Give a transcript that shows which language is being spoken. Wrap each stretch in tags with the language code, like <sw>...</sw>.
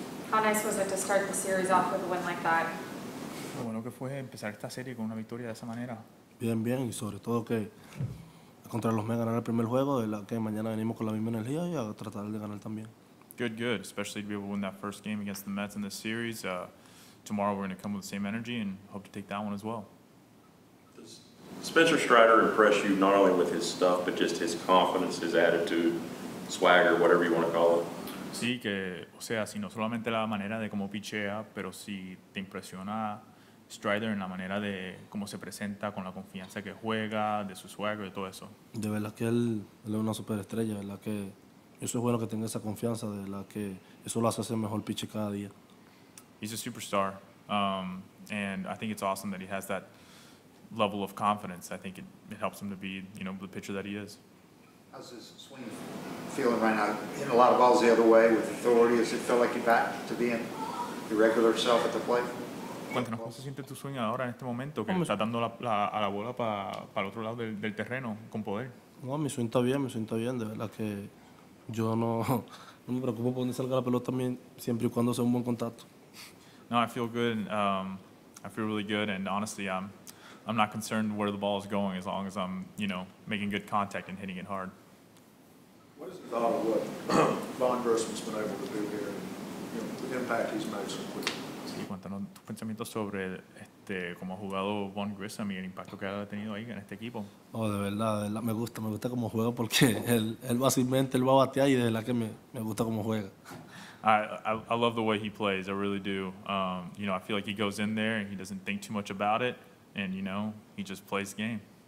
<en>How nice was it to start the series off with a win like that?</en> <es>Lo bueno que fue empezar esta serie con una victoria de esa manera. Bien, bien, y sobre todo que contra los Mets ganar el primer juego, de la que mañana venimos con la misma energía y a tratar de ganar también.</es> <en>Good, good, especially to be able to win that first game against the Mets in this series. Tomorrow we're going to come with the same energy and hope to take that one as well. Does Spencer Strider impress you not only with his stuff, but just his confidence, his attitude, swagger, whatever you want to call it?</en> <es>Sí, que, o sea, si no solamente la manera de cómo pichea, pero si te impresiona Strider en la manera de cómo se presenta, con la confianza que juega, de su swagger y todo eso. De verdad que él es una superestrella, ¿verdad? Que eso es bueno que tenga esa confianza, de la que eso lo hace ser mejor piche cada día.</es> <en>He's a superstar, and I think it's awesome that he has that level of confidence. I think it helps him to be, you know, the pitcher that he is. How's his swing feeling right now? Hitting a lot of balls the other way with authority. Does it feel like you're back to being your regular self at the plate?</en> <es>Cuéntanos cómo se siente tu swing ahora en este momento, que está dando a la bola para el otro lado del terreno con poder. No, mi swing está bien, mi swing está bien. De verdad que yo no me preocupo por dónde salga la pelota también, siempre y cuando sea un buen contacto.</es> <en>No, I feel good. I feel really good, and honestly, I'm not concerned where the ball is going as long as I'm, you know, making good contact and hitting it hard. What is the thought of what Vaughn Grissom's been able to do here, the impact he's made so quickly?</en> <es>Sí, cuéntanos tu pensamiento sobre cómo ha jugado Vaughn Grissom y el impacto que ha tenido ahí en este equipo. Oh, de verdad, me gusta cómo juega porque él básicamente va a batear y de verdad que me gusta cómo juega.</es> <en>I love the way he plays. I really do. You know, I feel like he goes in there and he doesn't think too much about it, and you know, he just plays the game.</en>